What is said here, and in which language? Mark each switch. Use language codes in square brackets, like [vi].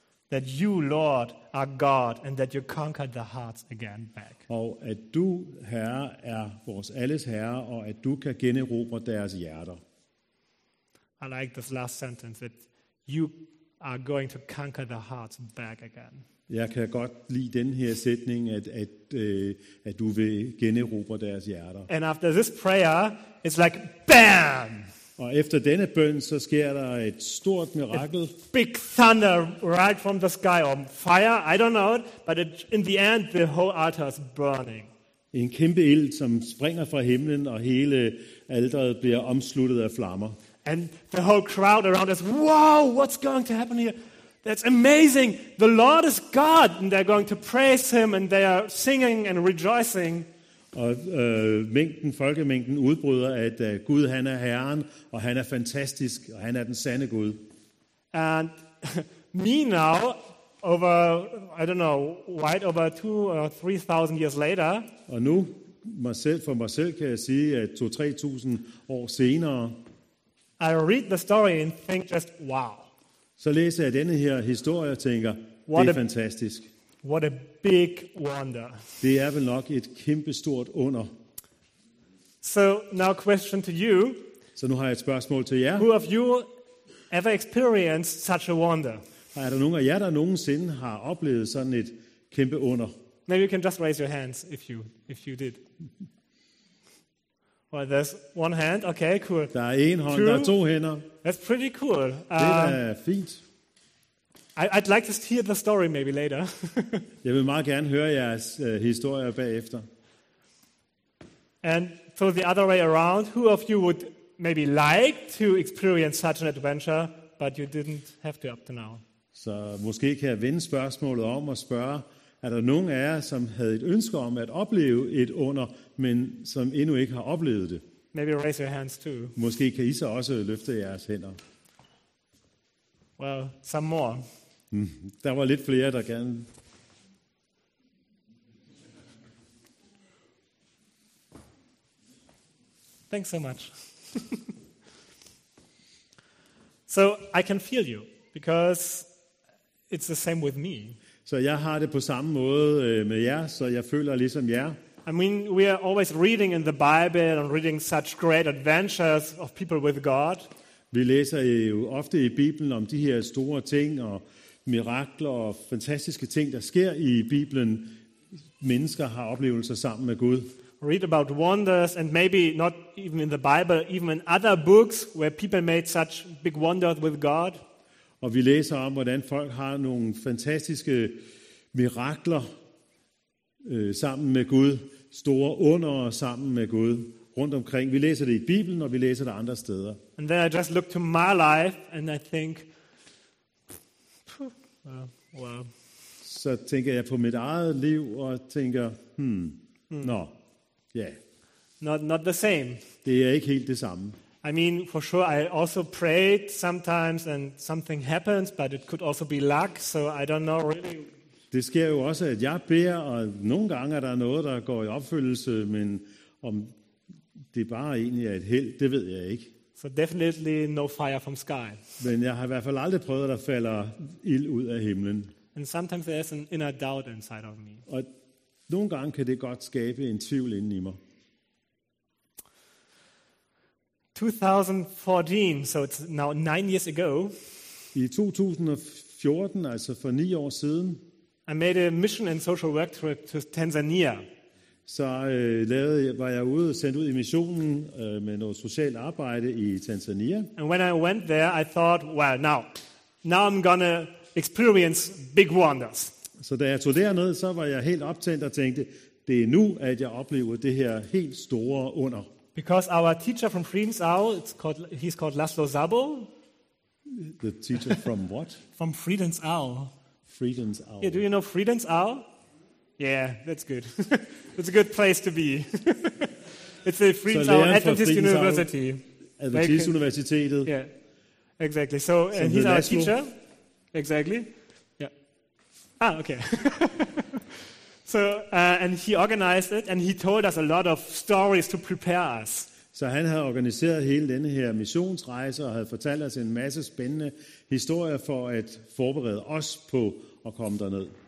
[en] that you, Lord, are God, and that you conquered the hearts again back. [da] Og at du, herre, er vores alles herre, og at du kan generobre deres hjerter. [en] I like this last sentence, that you are going to conquer the hearts back again. [da] Jeg kan godt lide den her sætning, at du vil generobre deres hjerter. [en] And after this prayer, it's like bam. [da] Og efter denne bøn så sker der et stort mirakel. [en] A big thunder right from the sky or fire, I don't know, but it, in the end the whole altar is burning. [da] En kæmpe ild som springer fra himlen og hele alteret bliver omsluttet af flammer. [en] And the whole crowd around us, wow, what's going to happen here? That's amazing. The Lord is God and they're going to praise him and they are singing and rejoicing. [da] Og folkemængden udbryder, at Gud han er Herren, og han er fantastisk, og han er den sande Gud. [en] And me now, over, I don't know, right over 2,000 or 3,000 years later. [da] Og nu, for mig selv kan jeg sige, at 2,000 or 3,000 år senere. [en] I read the story and think just, wow. [da] Så læser jeg denne her historie og tænker, [en] what [da] det er fantastisk. [en] What a big wonder. [da] Det er vel nok et kæmpestort under. [en] So, now question to you. [da] Så nu har jeg et spørgsmål til jer. [en] Who of you ever experienced such a wonder? [da] Er der nogen af jer, der nogensinde har oplevet sådan et kæmpe under? [en] Maybe you can just raise your hands if you did. Well, there's one hand. Okay, cool. [da] Der er en hånd, [en] two. [da] Der er to hænder. [en] That's pretty cool. [da] Det er fint. [en] I'd like to hear the story maybe later. [da] Jeg vil meget gerne høre jeres historier bagefter. [en] And so the other way around, who of you would maybe like to experience such an adventure, but you didn't have to up to now? [da] Så måske kan jeg vende spørgsmålet om og spørge, er der nogen af jer, som havde et ønske om at opleve et under, men som endnu ikke har oplevet det? [en] Maybe raise your hands too. [da] Måske kan I så også løfte jeres hænder. [en] Well, some more. [da] Der var lidt flere, der gerne. [en] Thanks so much. So I can feel you because it's the same with me. [da] Så jeg har det på samme måde med jer, så jeg føler ligesom jer. [en] I mean, we are always reading in the Bible and reading such great adventures of people with God. [da] Vi læser jo ofte i Bibelen om de her store ting og mirakler og fantastiske ting, der sker i Bibelen. Mennesker har oplevelser sammen med Gud. [en] Read about wonders and maybe not even in the Bible, even in other books where people made such big wonders with God. [da] Og vi læser om, hvordan folk har nogle fantastiske mirakler sammen med Gud, store under sammen med Gud. Rundt omkring. Vi læser det i Bibelen, og vi læser det andre steder. [en] And then I just look to my life, and I think, wow. Well. [da] Så tænker jeg på mit eget liv, og tænker, [en] no, yeah. Not the same. [da] Det er ikke helt det samme. [en] I mean, for sure, I also prayed sometimes, and something happens, but it could also be luck, so I don't know really. [da] Det sker jo også, at jeg beder, og nogle gange er der noget, der går i opfyldelse, men om det er bare egentlig et held, det ved jeg ikke. [en] So definitely no fire from sky. [da] Men jeg har i hvert fald aldrig prøvet, at der falder ild ud af himlen. [en] And sometimes there's an inner doubt inside of me. [da] Og nogle gange kan det godt skabe en tvivl inden i mig. [en] 2014, so it's now 9 years ago. [da] I 2014, altså for 9 år siden. [en] I made a mission and social work trip to Tanzania. [da] Så var jeg ude sendt ud i missionen med noget socialt arbejde i Tanzania. [en] And when I went there, I thought, well, now I'm gonna experience big wonders. [da] Så da jeg tog derned, så var jeg helt optændt og tænkte, det er nu, at jeg oplever det her helt store under. [en] Because our teacher from Friedensau, he's called Laszlo Szabo. The teacher from what? From Friedensau. Friedensau. Yeah, do you know Friedensau? Yeah, that's good. It's a good place to be. It's a Friedensau Adventist University. [da] Adventist Universitetet. [en] Yeah, exactly. So and he's our teacher. Exactly. Yeah. Ah, okay. So and he organized it, and he told us a lot of stories to prepare us. [da] Så han havde organiseret hele denne her missionsrejse og havde fortalt os en masse spændende historier for at forberede os på at komme derned.